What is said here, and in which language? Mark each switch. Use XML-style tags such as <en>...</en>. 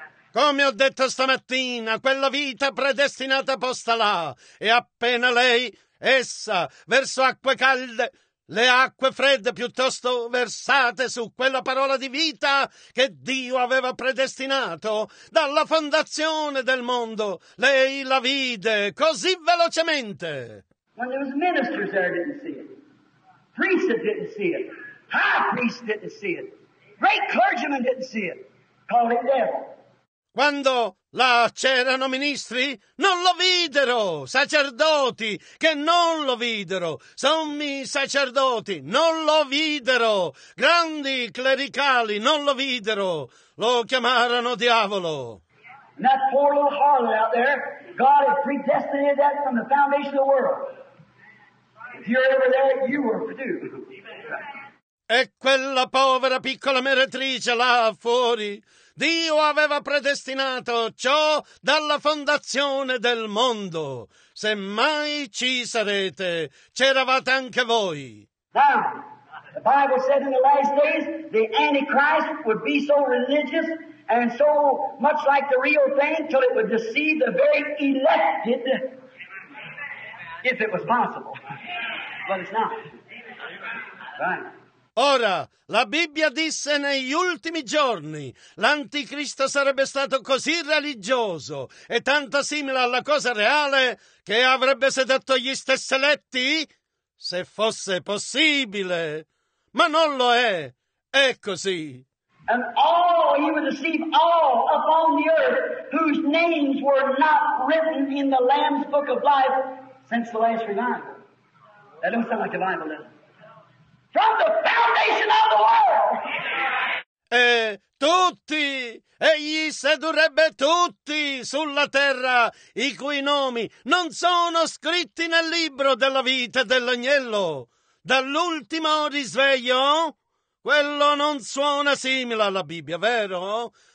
<it>Come ho detto stamattina, quella vita predestinata posta là, e appena lei, essa, verso acque calde, le acque fredde piuttosto versate su quella parola di vita che Dio aveva predestinato, dalla fondazione del mondo, lei la vide così velocemente.</it> <en>When there was ministers there didn't see it, priests didn't see it, high priests didn't see it, great clergymen didn't see it, call it devil.</en> <it>Quando là c'erano ministri, non lo videro, sacerdoti che non lo videro, sommi sacerdoti, non lo videro, grandi clericali, non lo videro, lo chiamarono diavolo.</it> <en>And that poor little harlot out there, God had predestinated that from the foundation of the world. If you're over there, you were too.</en> <it>E quella povera piccola meretrice là fuori, Dio aveva predestinato ciò dalla fondazione del mondo. Se mai ci sarete, c'eravate anche voi.</it> <en>Now, the Bible said in the last days the Antichrist would be so religious and so much like the real thing till it would deceive the very elected, if it was possible. But it's not. Right.</en> <it>Ora, la Bibbia disse negli ultimi giorni l'anticristo sarebbe stato così religioso e tanto simile alla cosa reale che avrebbe sedotto gli stessi eletti, se fosse possibile. Ma non lo è. È così.</it> <en>And all, he would deceive all upon the earth whose names were not written in the Lamb's Book of Life since the last revival. That don't sound like a Bible, does it? From the foundation of the world.</en> <it>E tutti, egli sedurrebbe tutti sulla terra i cui nomi non sono scritti nel libro della vita dell'agnello. Dall'ultimo risveglio, quello non suona simile alla Bibbia, vero?</it>